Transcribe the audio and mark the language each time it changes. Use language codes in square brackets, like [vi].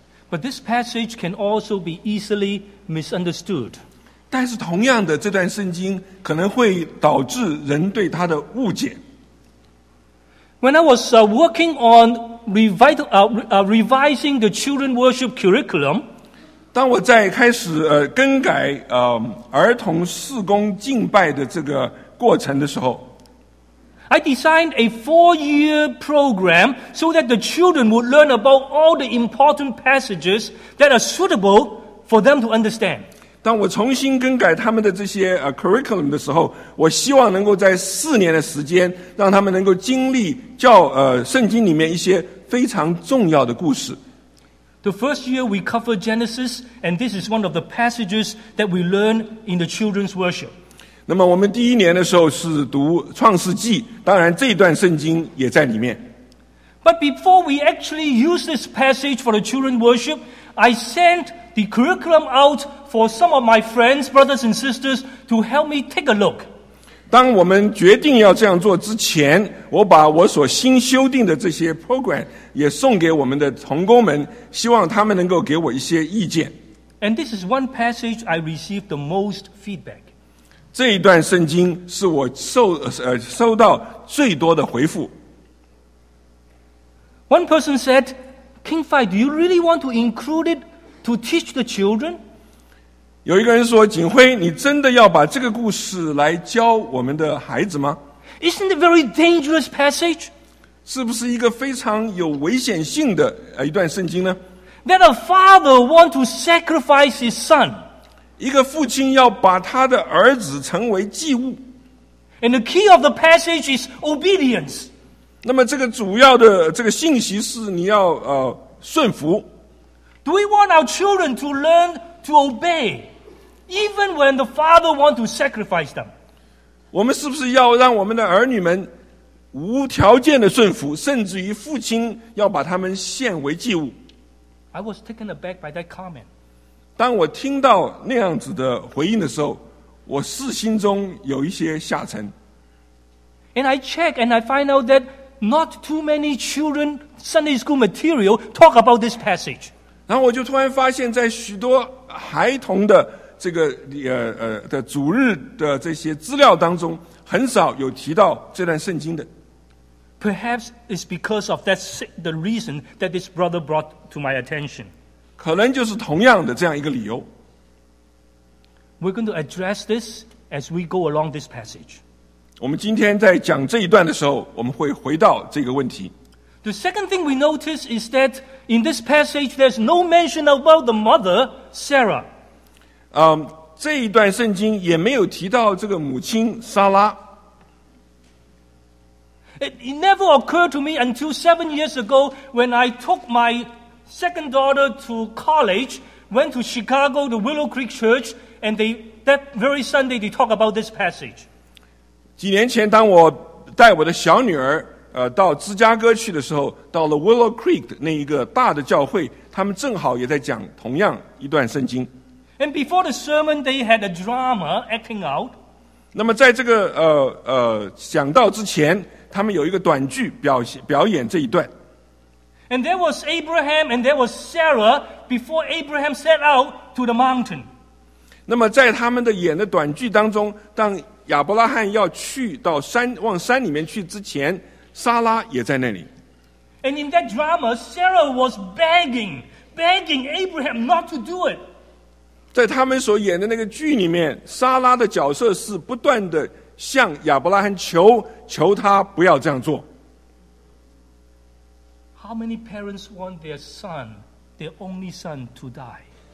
[en] But this passage can also be easily misunderstood. [zh] 但是同样的，这段圣经可能会导致人对它的误解。 [en] When I was working on revising the children worship curriculum, [zh] 当我在开始更改儿童事工敬拜的这个过程的时候， [en] I designed a four-year program so that the children would learn about all the important passages that are suitable for them to understand. [zh] 当我重新更改他们的这些curriculum 的时候，我希望能够在四年的时间让他们能够经历教圣经里面一些非常重要的故事。 [en] The first year we covered Genesis, and this is one of the passages that we learn in the children's worship. [zh] 那么我们第一年的时候是读创世纪，当然这一段圣经也在里面。 [en] But before we actually use this passage for the children's worship, I sent the curriculum out for some of my friends, brothers and sisters, to help me take a look. [zh] 当我们决定要这样做之前，我把我所新修订的这些 program 也送给我们的同工们，希望他们能够给我一些意见。 [en] And this is one passage I received the most feedback. [zh] 这一段圣经是我收到最多的回复。 [en] One person said, King Fai, do you really want to include it to teach the children? [zh] 有一个人说，景辉，你真的要把这个故事来教我们的孩子吗？ [en] Isn't it a very dangerous passage? [zh] 是不是一个非常有危险性的一段圣经呢？ [en] That a father want to sacrifice his son. [zh] 一个父亲要把他的儿子成为祭物。 [en] And the key of the passage is obedience. [zh] 那么这个主要的这个信息是你要顺服。 [en] Do we want our children to learn to obey, even when the father want to sacrifice them? [zh] 我们是不是要让我们的儿女们无条件的顺服，甚至于父亲要把他们献为祭物？ [en] I was taken aback by that comment. [zh] 当我听到那样子的回应的时候，我是心中有一些下沉。 [en] And I check and I find out that. Not too many children Sunday school material talk about this passage. [zh] 然后我就突然发现，在许多孩童的这个的主日的这些资料当中，很少有提到这段圣经的。 [en] Perhaps it's because of that the reason that this brother brought to my attention. [zh] 可能就是同样的这样一个理由。 [en] We're going to address this as we go along this passage. [zh] 我们今天在讲这一段的时候，我们会回到这个问题。 [en] The second thing we notice is that in this passage, there's no mention about the mother, Sarah. [zh] 这一段圣经也没有提到这个母亲莎拉。 [en] It never occurred to me until 7 years ago when I took my second daughter to college, went to Chicago, the Willow Creek Church, and that very Sunday they talk about this passage. [zh] 几年前，当我带我的小女儿到芝加哥去的时候，到了 Willow Creek 那一个大的教会，他们正好也在讲同样一段圣经。 [en] And before the sermon, they had a drama acting out. [zh] 那么在这个讲道之前，他们有一个短剧表演这一段。 [en] And there was Abraham and there was Sarah before Abraham set out to the mountain. [zh] 那么在他们的演的短剧当中，当亚伯拉罕要去到山往山里面去之前，莎拉也在那里。 [en] And in that drama, Sarah was begging Abraham not to do it. [zh] 在他们所演的那个剧里面，莎拉的角色是不断的向亚伯拉罕求，求他不要这样做。 [en] How many parents want their son, their only son, to die?